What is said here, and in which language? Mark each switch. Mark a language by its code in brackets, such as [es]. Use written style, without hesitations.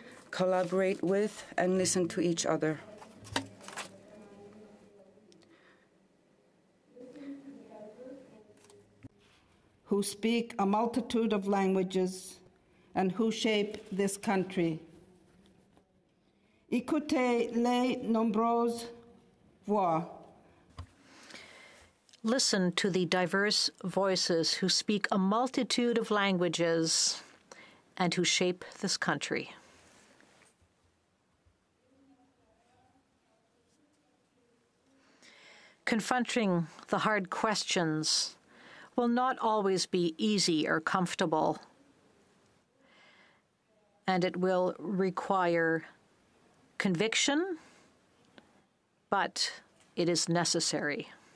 [en] Collaborate with and listen to each other. Who speak a multitude of languages and who shape this country. [fr] Écoutez les nombreuses voix. [en] Listen to the diverse voices who speak a multitude of languages and who shape this country. Confronting the hard questions will not always be easy or comfortable, and it will require conviction, but it is necessary.